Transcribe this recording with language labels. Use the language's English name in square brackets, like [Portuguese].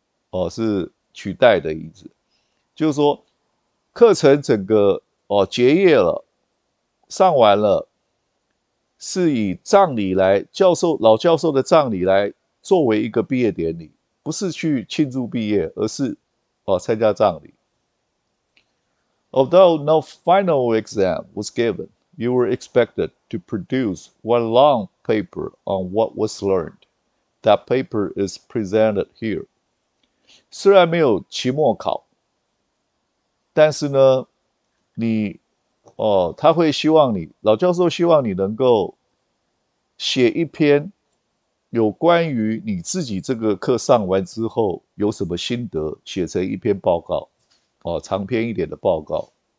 [Chinese] 哦，是取代的意思，就是说，课程整个哦结业了，上完了，是以葬礼来教授老教授的葬礼来作为一个毕业典礼，不是去庆祝毕业，而是哦参加葬礼。 [English] Although no final exam was given, you were expected to produce one long paper on what was learned. That paper is presented here. [Chinese] 虽然没有期末考，但是呢，你哦，他会希望你，老教授希望你能够写一篇有关于你自己这个课上完之后有什么心得，写成一篇报告，哦，长篇一点的报告。